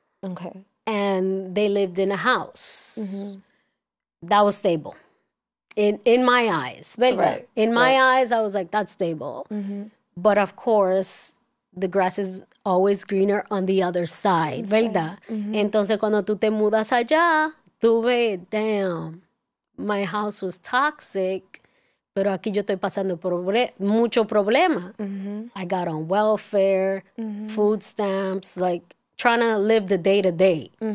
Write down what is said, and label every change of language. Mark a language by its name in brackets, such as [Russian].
[English] Okay. And they lived in a house. Mm-hmm. That was stable. In my eyes. Right. In my eyes, I was like, that's stable. Mm-hmm. But of course, the grass is always greener on the other side. That's ¿verdad? Right. Mm-hmm. [Spanish] Entonces, cuando tú te mudas allá, tú ves, damn. [English] My house was toxic, [Spanish] pero aquí yo estoy pasando mucho problema. [English] Mm-hmm. I got on welfare, mm-hmm. food stamps, like trying to live the day to day.